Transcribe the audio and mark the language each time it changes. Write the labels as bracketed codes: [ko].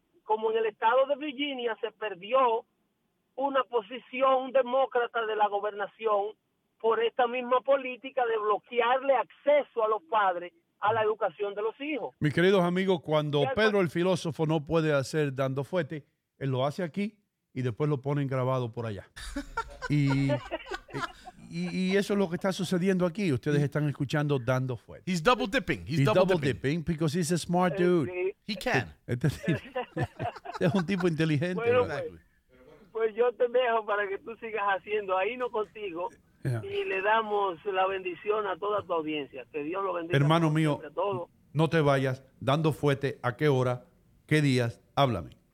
[es] como en el estado de Virginia se perdió una posición demócrata de la gobernación por esta misma política de bloquearle acceso a los padres a la educación de los hijos. Mis queridos amigos, cuando Pedro el filósofo no puede hacer dando fuerte, él lo hace aquí y después lo ponen grabado por allá. Y eso es lo que está sucediendo aquí. Ustedes están escuchando dando fuerte. [en] He's double dipping. He's double dipping because he's a smart dude. He can. [es] Es un tipo inteligente. Bueno, pues yo te dejo para que tú sigas haciendo ahí no contigo. [en] Yeah. [es] Y le damos la bendición a toda tu audiencia. Que Dios lo bendiga. Hermano mío, no te vayas. Dando fuerte, ¿a qué hora? ¿Qué días? Háblame.